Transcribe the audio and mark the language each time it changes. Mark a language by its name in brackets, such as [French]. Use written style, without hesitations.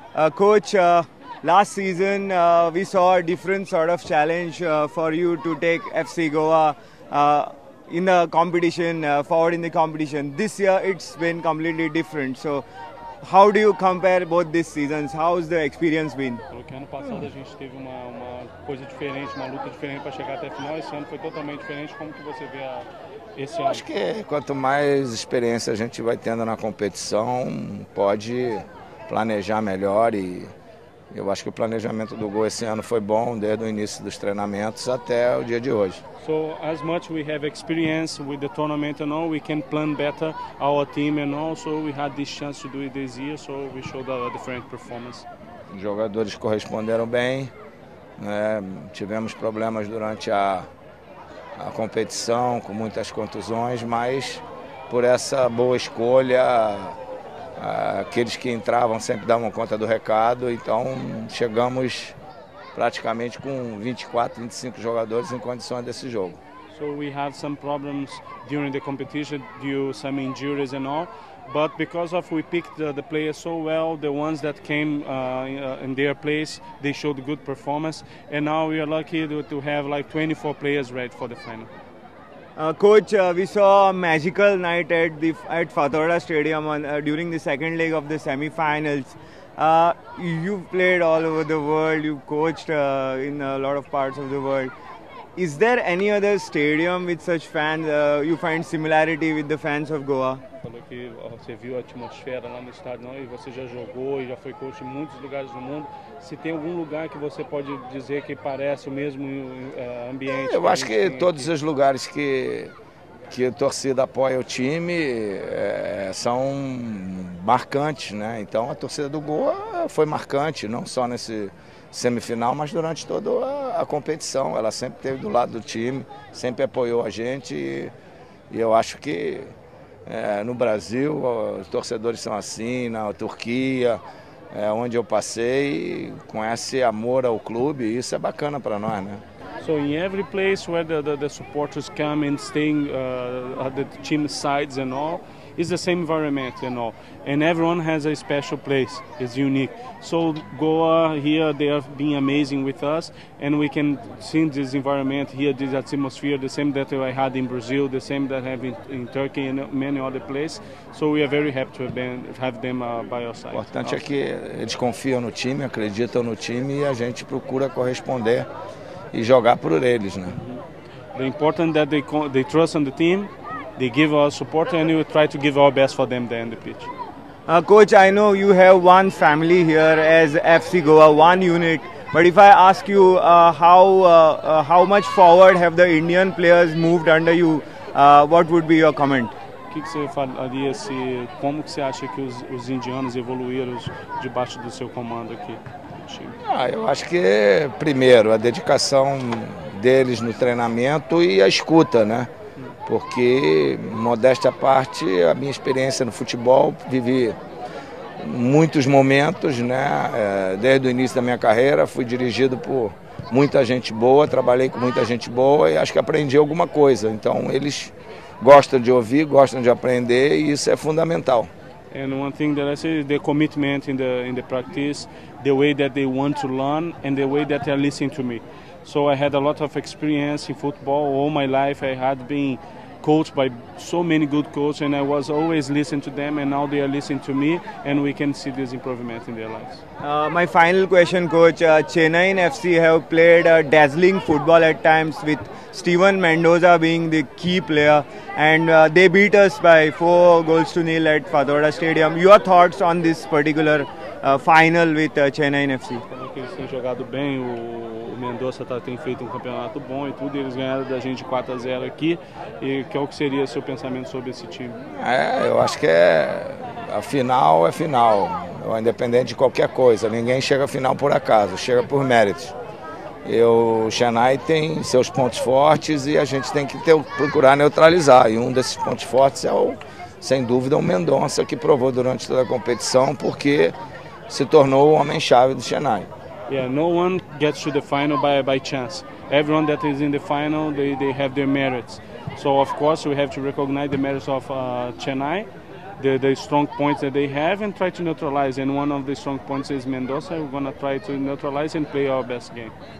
[English] Coach, last season we saw a different sort of challenge for you to take FC Goa in the competition, forward in the competition. This year it's been completely different. So how do you compare both these seasons? How's the experience been? [Portuguese] Ano passado a gente teve uma coisa diferente, uma luta diferente para chegar até a final. Esse ano foi totalmente diferente. Como que você vê esse ano? Acho que quanto mais experiência a gente vai tendo na competição, pode planejar melhor. E eu acho que o planejamento do gol esse ano foi bom, desde o início dos treinamentos até o dia de hoje. [English] So as much we have experience with the tournament and all, we can plan better our team and all. So we had this chance to do it this year, so we showed a different performance. [Portuguese] Os jogadores corresponderam bem, né? Tivemos problemas durante a competição com muitas contusões, mas por essa boa escolha, aqueles que entravam sempre davam conta do recado, então chegamos praticamente com 24, 25 jogadores em condições desse jogo. [English] So we have some problems during the competition due to some injuries and all, but because of we picked the players so well, the ones that came in their place, they showed good performance, and now we are lucky to have like 24 players ready for the final. Coach, we saw a magical night at Fatorda Stadium during the second leg of the semi-finals. You've played all over the world, you've coached in a lot of parts of the world. Is there any other stadium with such fans? You find similarity with the fans of Goa? [Portuguese] Falou que você viu a atmosfera lá no estádio, não? E você já jogou e já foi coach em muitos lugares do mundo. Se tem algum lugar que você pode dizer que parece o mesmo ambiente? Eu acho que todos os lugares que a torcida apoia o time são marcantes, né? Então a torcida do Goa foi marcante, não só nesse semifinal, mas durante toda a competição. Ela sempre esteve do lado do time, sempre apoiou a gente e eu acho que no Brasil os torcedores são assim, na Turquia, onde eu passei, com esse amor ao clube, isso é bacana para nós, né? [English] So in every place where the supporters come and staying at the team sides and all, it's the same environment and all. And everyone has a special place. It's unique. So Goa here, they have been amazing with us. And we can see this environment here, this atmosphere, the same that I had in Brazil, the same that I have in Turkey and many other places. So we are very happy to have them by our side. [Portuguese] O importante é que eles confiam no time, acreditam no time e a gente procura corresponder e jogar por eles, né? [English] The important that they trust on the team, they give us support and we try to give our best for them there in the pitch. Coach, I know you have one family here as FC Goa, one unit. But if I ask you how much forward have the Indian players moved under you, what would be your comment? [Portuguese] O que você falaria se como que você acha que os indianos evoluíram debaixo do seu comando aqui? Eu acho que, primeiro, a dedicação deles no treinamento e a escuta, né? Porque, modéstia à parte, a minha experiência no futebol, vivi muitos momentos, né? Desde o início da minha carreira, fui dirigido por muita gente boa, trabalhei com muita gente boa e acho que aprendi alguma coisa. Então, eles gostam de ouvir, gostam de aprender e isso é fundamental. [English] And one thing that I say is the commitment in the practice, the way that they want to learn and the way that they are listening to me. So I had a lot of experience in football all my life. I had been coached by so many good coaches and I was always listening to them, and now they are listening to me and we can see this improvement in their lives. My final question, coach, Chennai and FC have played dazzling football at times with Steven Mendoza being the key player, and they beat us by 4-0 at Fatorda Stadium. Your thoughts on this particular final with Chennai and FC? [Portuguese] Mendoza tem feito campeonato bom e tudo, eles ganharam da gente 4-0 aqui. E qual que seria seu pensamento sobre esse time? Eu acho que a final é final, independente de qualquer coisa. Ninguém chega à final por acaso, chega por méritos. O Chennai tem seus pontos fortes e a gente tem que procurar neutralizar. E um desses pontos fortes é, sem dúvida, o Mendoza, que provou durante toda a competição porque se tornou o homem-chave do Chennai. [English] Yeah, no one gets to the final by chance. Everyone that is in the final, they have their merits. So of course we have to recognize the merits of Chennai, the strong points that they have, and try to neutralize. And one of the strong points is Mendoza. We're going to try to neutralize and play our best game.